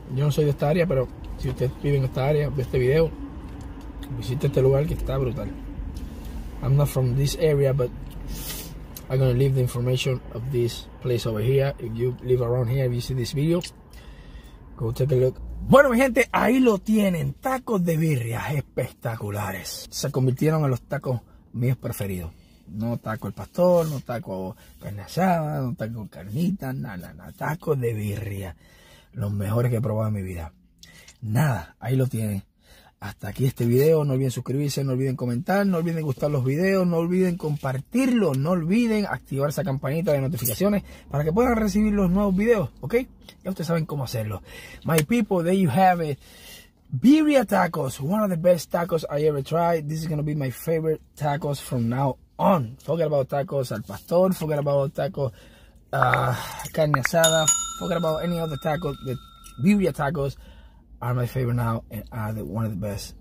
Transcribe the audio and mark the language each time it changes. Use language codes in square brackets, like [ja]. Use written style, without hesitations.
[es] Yo no soy de esta área, pero si usted vive en esta área, ve este video, visite este lugar que está brutal. [en] I'm not from this area, but I'm gonna leave the information of this place over here. If you live around here, if you see this video, go take a look. [es] Bueno, mi gente, ahí lo tienen. Tacos de birria espectaculares. Se convirtieron en los tacos míos preferidos. No taco el pastor, no taco carne asada, no taco carnita, nada, nada. Tacos de birria. Los mejores que he probado en mi vida. Nada, ahí lo tienen. Hasta aquí este video. No olviden suscribirse, no olviden comentar, no olviden gustar los videos, no olviden compartirlo, no olviden activar esa campanita de notificaciones para que puedan recibir los nuevos videos, ¿ok? Ya ustedes saben cómo hacerlo. [en] My people, there you have it. Birria tacos, one of the best tacos I ever tried. This is going to be my favorite tacos from now on. Forget about tacos al pastor, forget about tacos carne asada, forget about any other tacos. The birria tacos are my favorite now and are the one of the best.